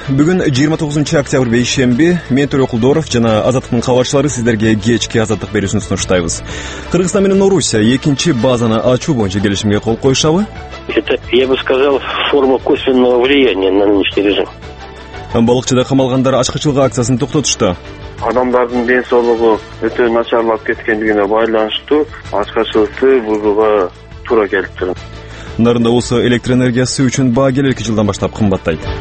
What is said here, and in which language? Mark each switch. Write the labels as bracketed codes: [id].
[ky] Бүгүн 29 октябрь бейшемби, мен Төрөкулдоров жана Азаттыктын кабарчылары сиздерге кечки азаттык берүүсүн сунуштайбыз. Кыргызстан менен Орусия экинчи базаны ачуу боюнча келишимге кол коюшабы? [ru] Это, я бы сказал, форма косвенного влияния на нынешний режим. [ky] Балыкчыда камалгандар ачкычылык акциясын токтотушту. Адамдардын ден соолугу өтө начарлап кеткендигине байланыштуу ачкычылыкты бузууга туура келип турат. Нарында болсо электр энергиясы үчүн баа келки жылдан баштап кымбаттайт.